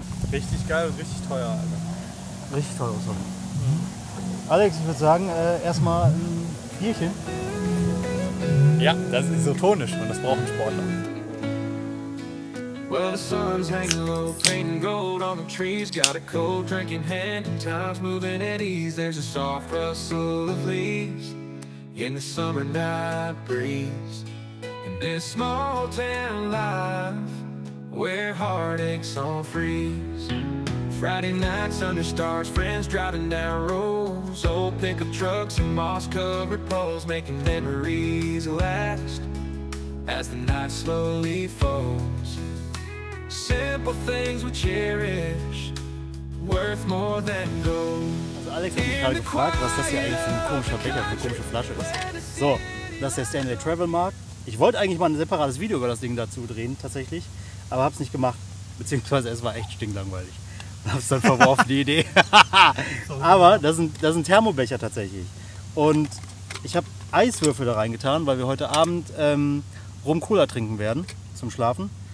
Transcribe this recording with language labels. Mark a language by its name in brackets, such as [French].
[German] Richtig geil und richtig teuer, Alter. Richtig teuer, so. Alex, ich würde sagen, erstmal ein Bierchen. Ja, das ist isotonisch und das braucht ein Sportler. [English] Well, the sun's hanging low, painting gold on the trees. Got a cold drink in hand, and time's moving at ease. There's a soft rustle of leaves in the summer night breeze. In this small town life, where heartaches all freeze. Friday nights under stars, friends driving down roads. Old pickup trucks and moss-covered poles making memories last as the night slowly folds. Simple things we cherish, worth more than gold. [German] Also Alex hat mich gerade gefragt, was das hier eigentlich für ein komischer Becher, für eine komische Flasche ist. So, das ist der Stanley Travel Mark. Ich wollte eigentlich mal ein separates Video über das Ding dazu drehen, tatsächlich. Aber hab's nicht gemacht, beziehungsweise es war echt stinklangweilig. Hab's dann verworfen, die Idee. Aber das ist ein Thermobecher tatsächlich. Und ich habe Eiswürfel da reingetan, weil wir heute Abend Rum Cola trinken werden. zum Schlafen.